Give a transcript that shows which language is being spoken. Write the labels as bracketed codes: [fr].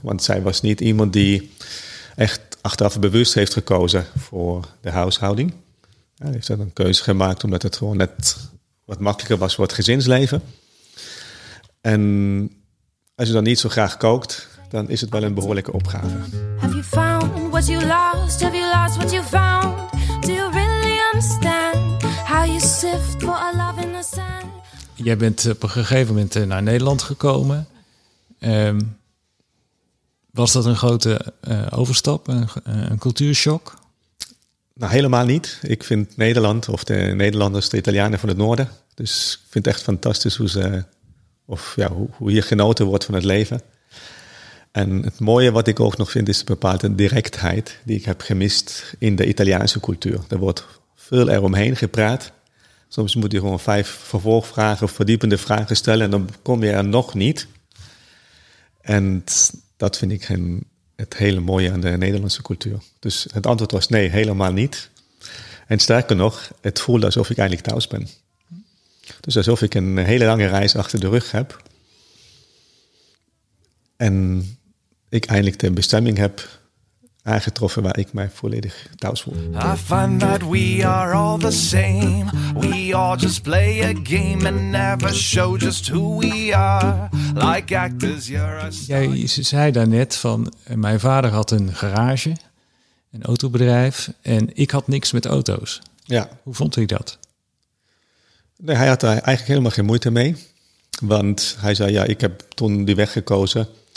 [nl] Want zij was niet iemand die echt achteraf bewust heeft gekozen voor de huishouding. Ja, heeft dan een keuze gemaakt omdat het gewoon net wat makkelijker was voor het gezinsleven. En als je dan niet zo graag kookt, dan is het wel een behoorlijke opgave. [en] Have you found what you lost? Have you lost what you found? Do you really understand how you sift for a love in the sand? [nl] Jij bent op een gegeven moment naar Nederland gekomen. Was dat een grote overstap, een cultuurshock? Nou, helemaal niet. Ik vind Nederland, of de Nederlanders, de Italianen van het noorden. Dus ik vind het echt fantastisch hoe hier genoten wordt van het leven. En het mooie wat ik ook nog vind, is een bepaalde directheid die ik heb gemist in de Italiaanse cultuur. Er wordt veel eromheen gepraat. Soms moet je gewoon 5 vervolgvragen of verdiepende vragen stellen en dan kom je er nog niet. En dat vind ik het hele mooie aan de Nederlandse cultuur. Dus het antwoord was nee, helemaal niet. En sterker nog, het voelde alsof ik eigenlijk thuis ben. Dus alsof ik een hele lange reis achter de rug heb. En ik eindelijk de bestemming heb aangetroffen waar ik mij volledig thuis voel. [en] I find that we are all the same. We all just play a game and never show just who we are. Like actors, you're a star. [nl] Jij zei daarnet van, mijn vader had een garage, een autobedrijf, en ik had niks met auto's. Ja. Hoe vond hij dat? Nee, hij had daar eigenlijk helemaal geen moeite mee. Want hij zei, ja, ik heb toen die weg gekozen.